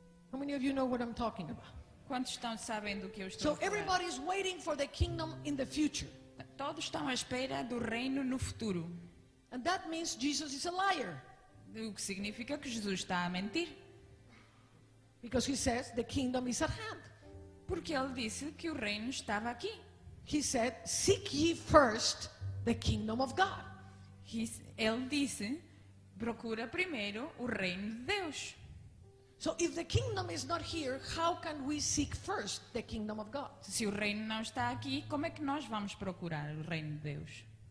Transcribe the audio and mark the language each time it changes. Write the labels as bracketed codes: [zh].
[en] How many of you know what I'm talking about? [pt] Quantos estão sabendo o que eu estou falando? [en] So everybody is waiting for the kingdom in the future. [pt] Todos estão à espera do reino no futuro. [en] And that means Jesus is a liar. [pt] O que significa que Jesus está a mentir. [en] Because he says the kingdom is at hand. [pt] Porque ele disse que o reino estava aqui. [en] He said, "Seek ye first the kingdom of God." [pt] Ele disse, procura primeiro o reino de Deus. [en] So if the kingdom is not here, how can we seek first the kingdom of God? [pt] Se o reino não está aqui, como é que nós vamos procurar o reino de Deus?